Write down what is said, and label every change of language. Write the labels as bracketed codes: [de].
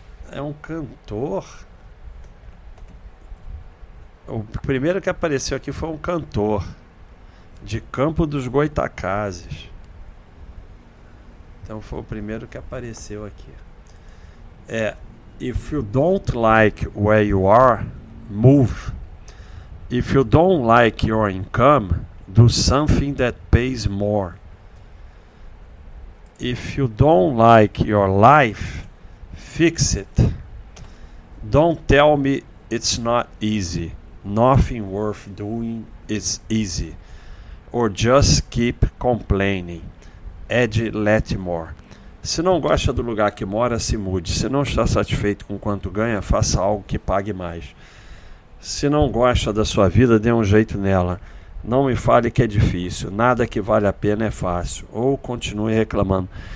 [pt] É um cantor? O primeiro que apareceu aqui foi um cantor de Campo dos Goitacazes. Então foi o primeiro que apareceu aqui. [en] É, if you don't like where you are, move. If you don't like your income, do something that pays more. If you don't like your life, fix it. Don't tell me it's not easy. Nothing worth doing is easy. Or just keep complaining. Ed Latimore. [pt] Se não gosta do lugar que mora, se mude. Se não está satisfeito com quanto ganha, faça algo que pague mais. Se não gosta da sua vida, dê um jeito nela. Não me fale que é difícil. Nada que vale a pena é fácil. Ou continue reclamando.